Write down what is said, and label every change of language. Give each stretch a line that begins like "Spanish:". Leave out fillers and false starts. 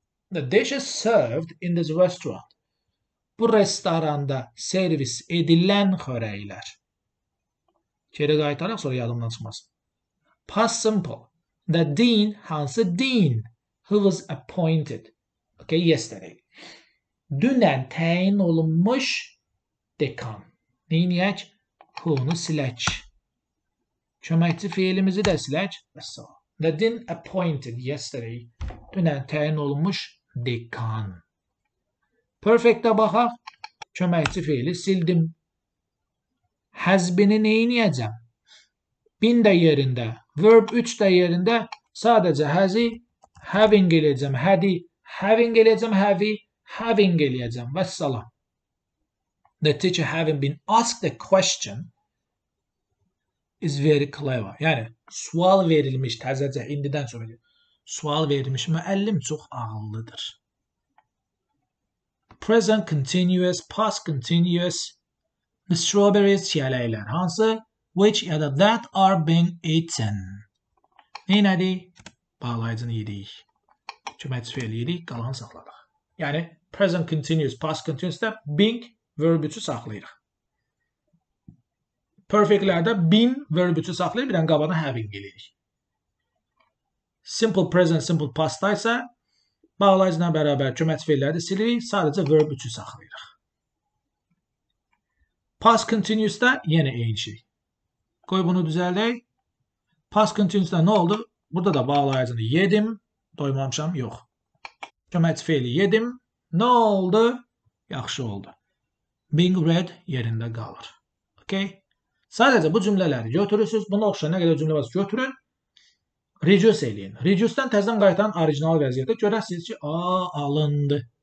English: The dishes served in this restaurant.
Azerbaijani: Bu restoranda servis edilən xörəklər. Geri qayıtaraq sonra yadımdan çıxmasın. Past simple.
English: The dean,
Azerbaijani: hansı
English: dean? Who was appointed? Okay, yesterday.
Azerbaijani: Dünən təyin olunmuş dekan. Neyiniyək? Who'nu siləç. Köməkçi fiilimizi də siləç.
English: So, the dean appointed yesterday.
Azerbaijani: Dünən təyin olunmuş dekan. Perfect-də baxaq. Köməkçi fiili sildim. Has been-i neyiniyəcəm? Been də yerində. Verb 3 də yerində. Sadəcə has-i having eləyəcəm. Had-i having eləyəcəm. Have-i having eləyəcəm. Və salam.
English: The teacher having been asked a question. Is very clever.
Azerbaijani: Yəni sual verilmiş təzəcə indidən sonra deyir. Sual verilmiş müəllim çox ağıllıdır.
English: Present continuous, past continuous, the strawberries
Azerbaijani: çiyələklər hansı?
English: Which
Azerbaijani: ya da
English: that are being eaten.
Azerbaijani: Neynədir? Bağlayıcını yedik. Köməkçi fiil yedik, qalanı saxladıq. Yəni present continuous, past continuous-da being verb-ü saxlayırıq. Perfectlərdə been verb-ü saxlayıb bir dənə qabağına having gəlirik. Simple present, simple past-da isə bağlayıcıyla bərabər köməkçi fiilləri də silirik, sadəcə verb-ü saxlayırıq. Past continuous-da yenə eyni şey. Qoy bunu düzəldək. Past continuous-da nə oldu? Burada da bağlayıcını yedim, doymamışam, yox. Köməkçi fiili yedim, nə oldu? Yaxşı oldu. Being read yerində qalır. Okay? Sadəcə bu cümlələri götürürsünüz. Buna oxşayan nə qədər cümlə varsa götürün. Reduce eləyin. Reduce-dən təzədən qaytaran orijinal vəziyyətə görərsiniz ki, alındı.